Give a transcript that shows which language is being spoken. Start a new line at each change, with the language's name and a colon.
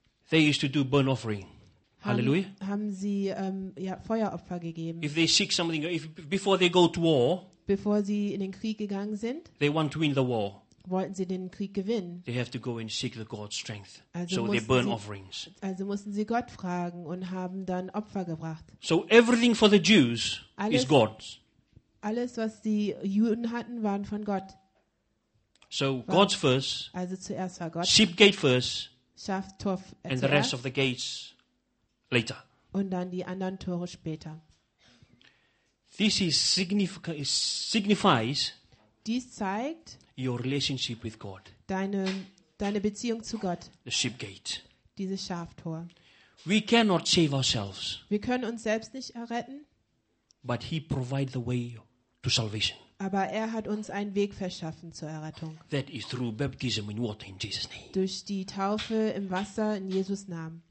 English: They used to do burnt offering. Hallelujah.
German: Haben sie Feueropfer gegeben?
English: If they seek something, before they go to war,
German: bevor sie in den Krieg gegangen sind,
English: they want to win the war,
German: wollten sie den Krieg gewinnen.
English: They have to go and seek the God's strength.
German: Also
English: so they burn offerings.
German: Also mussten sie Gott fragen und haben dann Opfer gebracht.
English: So everything for the Jews is God's.
German: Alles was die Juden hatten, waren von Gott.
English: So God's first.
German: Also zuerst war Gott.
English: Sheep gate first.
German: Schafftor zuerst.
English: And the rest of the gates. Later.
German: Und dann die anderen Tore später.
English: This is signifies.
German: Dies zeigt
English: your relationship with God.
German: Deine Beziehung zu Gott.
English: The sheep gate.
German: Dieses Schaftor.
English: We cannot save ourselves.
German: Wir können uns selbst nicht erretten.
English: But He provides the way to salvation.
German: Aber er hat uns einen Weg verschaffen zur Errettung.
English: That is through baptism in water in Jesus' name.
German: Durch die Taufe im Wasser in Jesus' Namen.